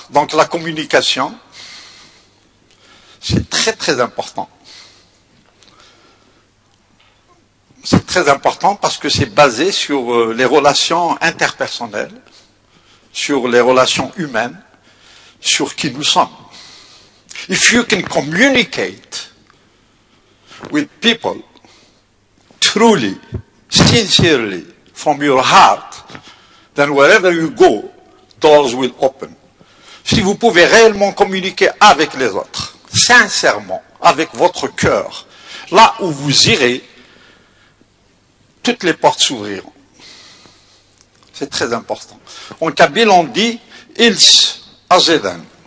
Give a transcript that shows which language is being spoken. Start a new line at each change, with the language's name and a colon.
French: Donc la communication, c'est très très important. C'est très important parce que c'est basé sur les relations interpersonnelles, sur les relations humaines, sur qui nous sommes.
English: If you can communicate with people, truly, sincerely, from your heart, then wherever you go, doors will open.
French: Si vous pouvez réellement communiquer avec les autres, sincèrement, avec votre cœur, là où vous irez, toutes les portes s'ouvriront. C'est très important. En kabyle, on dit «
Kabyle: ils azedan ».